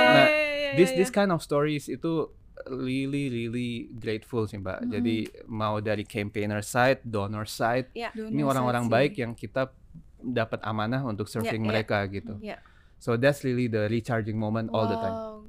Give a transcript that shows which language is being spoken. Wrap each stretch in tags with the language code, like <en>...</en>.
<en>Nah, this kind of stories itu really really grateful sih Mbak.</en> <id>Jadi mau dari campaigner side, donor side, ini orang-orang baik yang kita dapat amanah untuk serving mereka gitu.</id> <en>So that's really the recharging moment all the time.</en>